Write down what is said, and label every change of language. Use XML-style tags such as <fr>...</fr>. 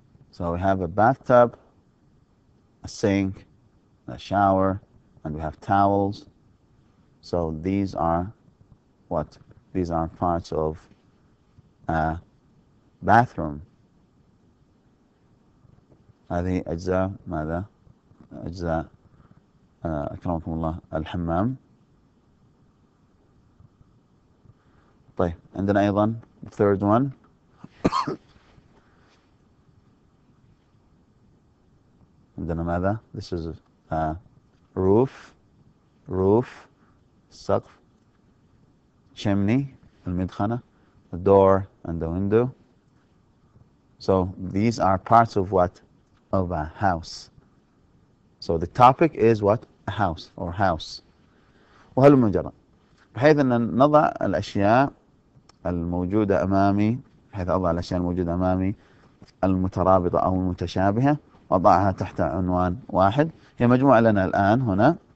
<en>So we have a bathtub, a sink, a shower, and we have towels. So these are what? These are parts of a bathroom.</en> <ar>هذه أجزاء ماذا؟ أجزاء أكرمكم الله الحمام. طيب عندنا أيضا</ar> <en>third one</en> <ar>عندنا ماذا؟</ar> <en>this is a roof، roof سقف، chimney المدخنة، a door and a window. So these are parts of what؟ of a house. So the topic is what? A house or house.</en> <ar>وهل مجرد بحيث أن نضع الأشياء الموجودة أمامي، بحيث أضع الأشياء الموجودة أمامي المترابطة أو المتشابهة وأضعها تحت عنوان واحد، هي مجموعة لنا الآن هنا.</ar>